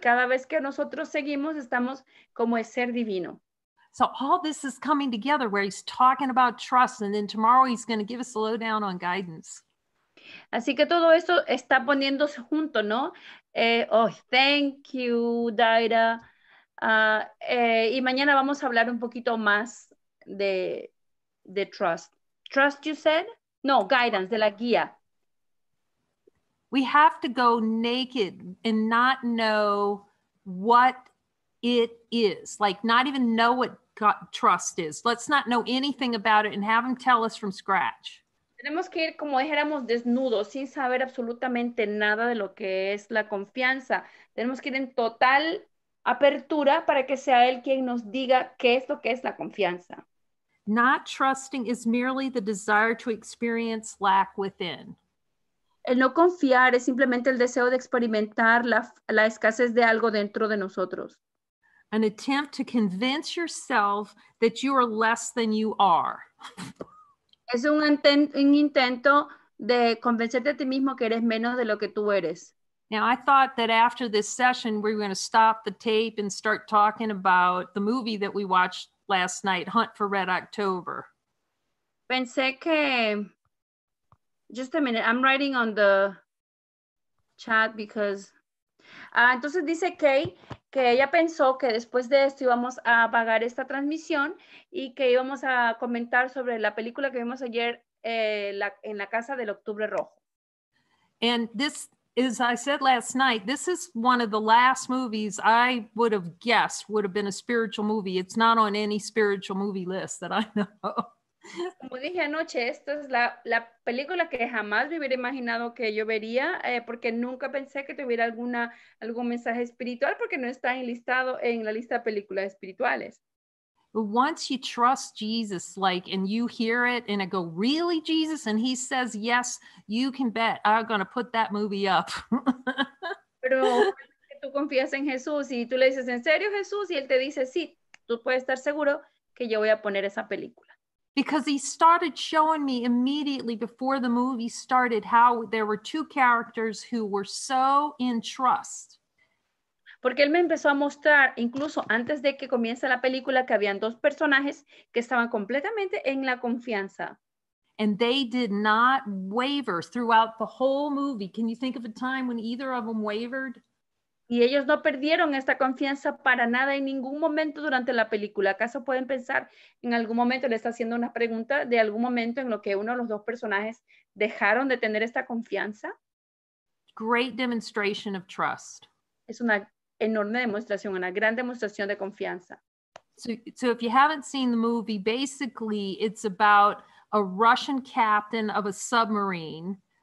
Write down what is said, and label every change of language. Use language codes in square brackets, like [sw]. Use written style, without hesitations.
[es] Cada vez que nosotros seguimos, estamos como el ser divino. [en] So all this is coming together where he's talking about trust, and then tomorrow he's going to give us a lowdown on guidance. [es] Así que todo esto está poniéndose junto, ¿no? [en] Thank you, Daira. [es] Y mañana vamos a hablar un poquito más de trust. [en] Trust, you said? No, guidance, [es] de la guía. [en] We have to go naked and not know what it is. Like, not even know what trust is. Let's not know anything about it and have them tell us from scratch. [es] Tenemos que ir como dijéramos desnudos, sin saber absolutamente nada de lo que es la confianza. Tenemos que ir en total apertura para que sea él quien nos diga qué es lo que es la confianza. [en] Not trusting is merely the desire to experience lack within. [es] El no confiar es simplemente el deseo de experimentar la escasez de algo dentro de nosotros. [en] An attempt to convince yourself that you are less than you are. [es] Es un intento de convencerte a ti mismo que eres menos de lo que tú eres. [en] Now, I thought that after this session, we were going to stop the tape and start talking about the movie that we watched last night, Hunt for Red October. [es] Pensé que... [en] Just a minute, I'm writing on the chat because... [es] entonces dice Kay que ella pensó que después de esto íbamos a apagar esta transmisión y que íbamos a comentar sobre la película que vimos ayer en la Casa del Octubre Rojo. [en] And this, as I said last night, this is one of the last movies I would have guessed would have been a spiritual movie. It's not on any spiritual movie list that I know. [es] Como dije anoche, esta es la película que jamás me hubiera imaginado que yo vería, porque nunca pensé que tuviera algún mensaje espiritual, porque no está enlistado en la lista de películas espirituales. [en] But once you trust Jesus, like, and you hear it, and I go, really, Jesus? And he says, yes, you can bet I'm going to put that movie up. [es] Pero tú confías en Jesús, y tú le dices, ¿en serio, Jesús? Y él te dice, sí, tú puedes estar seguro que yo voy a poner esa película. [en] Because he started showing me immediately before the movie started how there were two characters who were so in trust. [es] Porque él me empezó a mostrar, incluso antes de que comience la película, que habían dos personajes que estaban completamente en la confianza. [en] And they did not waver throughout the whole movie. Can you think of a time when either of them wavered? [es] Y ellos no perdieron esta confianza para nada en ningún momento durante la película. ¿Acaso pueden pensar en algún momento, le está haciendo una pregunta, de algún momento en lo que uno de los dos personajes dejaron de tener esta confianza? [en] Great demonstration of trust. [es] Es una enorme demostración, una gran demostración de confianza. [en] So if you haven't seen the movie, basically it's about a Russian captain of a submarine